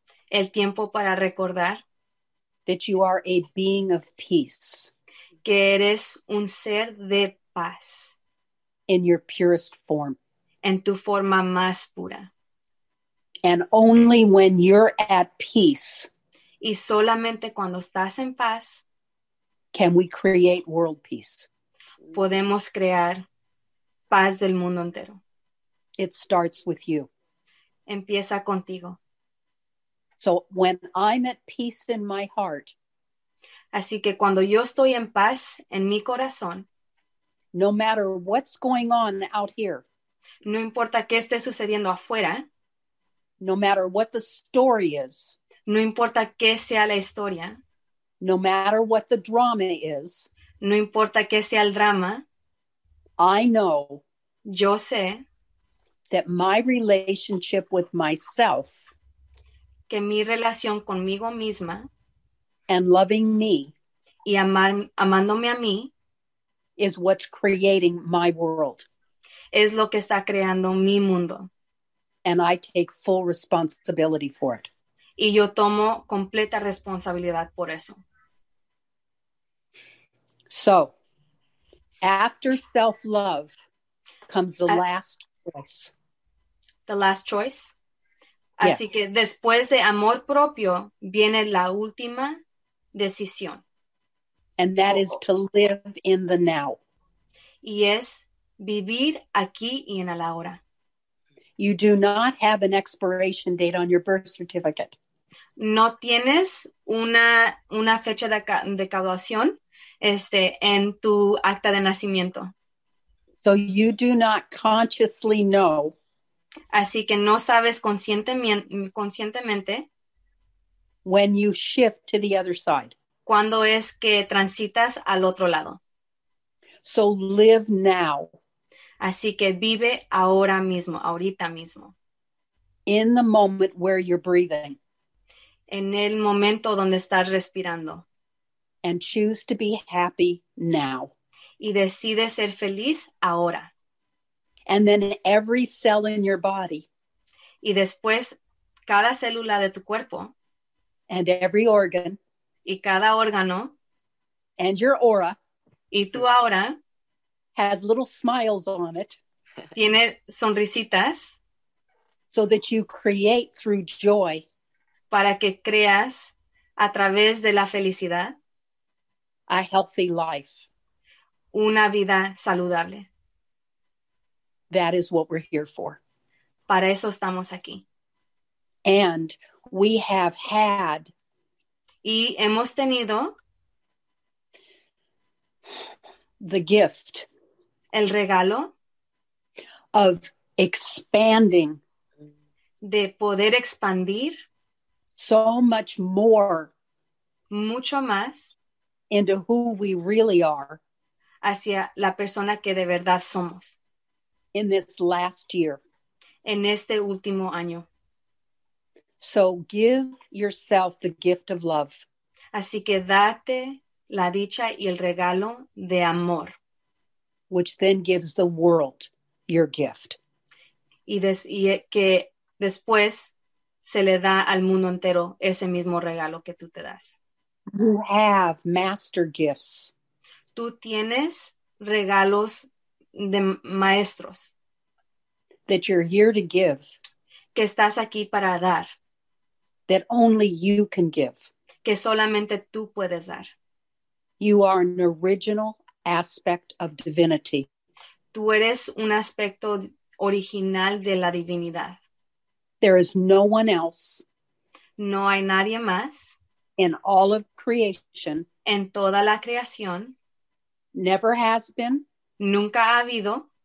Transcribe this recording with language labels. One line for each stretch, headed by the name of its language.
Spanish: el tiempo para recordar,
English: that you are a being of peace,
Spanish: que eres un ser de paz,
English: in your purest form.
Spanish: En tu forma más pura.
English: And only when you're at peace.
Spanish: Y solamente cuando estás en paz.
English: Can we create world peace.
Spanish: Podemos crear paz del mundo entero.
English: It starts with you.
Spanish: Empieza contigo.
English: So when I'm at peace in my heart,
Spanish: así que cuando yo estoy en paz en mi corazón,
English: no matter what's going on out here,
Spanish: no importa qué esté sucediendo afuera,
English: no matter what the story is,
Spanish: no importa qué sea la historia,
English: no matter what the drama is,
Spanish: no importa qué sea el drama,
English: I know,
Spanish: yo sé,
English: that my relationship with myself,
Spanish: que mi relación conmigo misma,
English: and loving me,
Spanish: y amándome a mí,
English: is what's creating my world.
Spanish: Es lo que está creando mi mundo.
English: And I take full responsibility for it.
Spanish: Y yo tomo completa responsabilidad por eso.
English: So, after self-love comes the last choice. The last choice? Yes.
Spanish: Así que después de amor propio, viene la última decisión.
English: And that is to live in the now.
Spanish: Y es vivir aquí y en el ahora.
English: You do not have an expiration date on your birth certificate.
Spanish: No tienes una fecha de graduación en tu acta de nacimiento.
English: So you do not consciously know.
Spanish: Así que no sabes conscientemente.
English: When you shift to the other side.
Spanish: Cuando es que transitas al otro lado.
English: So live now.
Spanish: Así que vive ahora mismo, ahorita mismo.
English: In the moment where you're breathing.
Spanish: En el momento donde estás respirando.
English: And choose to be happy now.
Spanish: Y decide ser feliz ahora.
English: And then every cell in your body.
Spanish: Y después cada célula de tu cuerpo.
English: And every organ.
Spanish: Y cada órgano.
English: And your aura.
Spanish: Y tu aura.
English: Has little smiles on it.
Spanish: Tiene sonrisitas.
English: So that you create through joy.
Spanish: Para que creas a través de la felicidad.
English: A healthy life.
Spanish: Una vida saludable.
English: That is what we're here for.
Spanish: Para eso estamos aquí.
English: And we have had.
Spanish: Y hemos tenido
English: the gift,
Spanish: el regalo
English: of expanding,
Spanish: de poder expandir
English: so much more,
Spanish: mucho más
English: into who we really are,
Spanish: hacia la persona que de verdad somos,
English: in this last year,
Spanish: en este último año.
English: So give yourself the gift of love.
Spanish: Así que date la dicha y el regalo de amor.
English: Which then gives the world your gift.
Spanish: Y que después se le da al mundo entero ese mismo regalo que tú te das.
English: You have master gifts.
Spanish: Tú tienes regalos de maestros.
English: That you're here to give.
Spanish: Que estás aquí para dar.
English: That only you can give.
Spanish: Que solamente tú puedes dar.
English: You are an original aspect of divinity.
Spanish: Tú eres un aspecto original de la divinidad.
English: There is no one else.
Spanish: No hay nadie más.
English: In all of creation.
Spanish: En toda la creación.
English: Never has been.
Spanish: Nunca ha habido.